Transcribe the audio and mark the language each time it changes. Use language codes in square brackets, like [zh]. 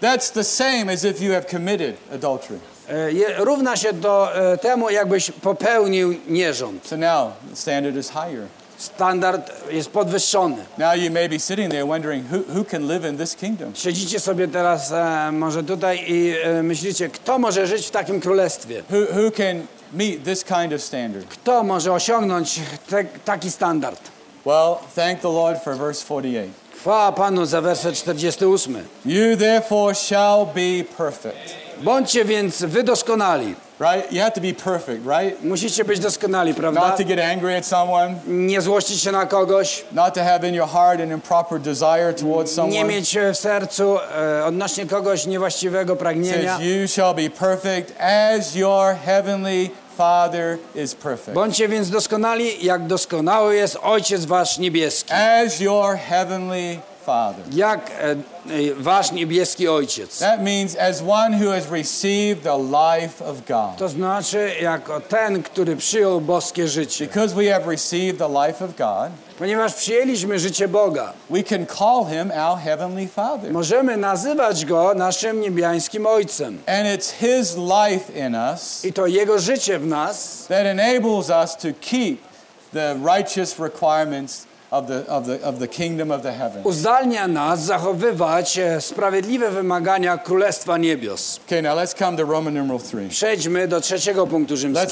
[en] that's the same as if you have committed adultery. [pl] równa się do temu, jakbyś popełnił nierząd. [en] So now, the standard is higher. [pl] Standard jest podwyższony. [en] Now you may be sitting there wondering who can live in this kingdom. [pl] Siedzicie sobie teraz może tutaj i myślicie, kto może żyć w takim królestwie? [en] Who can meet this kind of standard? [pl] Kto może osiągnąć taki standard? [en] Well, thank the Lord for verse 48. [pl] Chwała Panu za werset 48. [en] You therefore shall be perfect. [pl] Bądźcie więc wy doskonali. [en] Right, you have to be perfect, right? [pl] Musicie być doskonali, prawda? [en] Not to get angry at someone. [pl] Nie złościć się na kogoś. [en] Not to have in your heart an improper desire towards someone. [pl] Nie mieć w sercu odnośnie kogoś niewłaściwego pragnienia. [en] Says, you shall be perfect as your heavenly Father is perfect. [pl] Bądźcie więc doskonali, jak doskonały jest Ojciec wasz niebieski. [en] As your heavenly Father. [pl] Jak wasz niebieski Ojciec. [en] That means as one who has received the life of God. [pl] To znaczy jako ten, który przyjął boskie życie. [en] Because we have received the life of God. [pl] Ponieważ przyjęliśmy życie Boga. [en] We can call him our heavenly Father. [pl] Możemy nazywać go naszym niebiańskim Ojcem. [en] And it's his life in us. [pl] I to jego życie w nas. [en] That enables us to keep the righteous requirements of the kingdom of the heavens. [pl] Uzdalnia nas zachowywać sprawiedliwe wymagania Królestwa Niebios. [en] Okay, now let's come to Roman numeral 3. [pl] Przejdźmy do trzeciego punktu rzymskiego.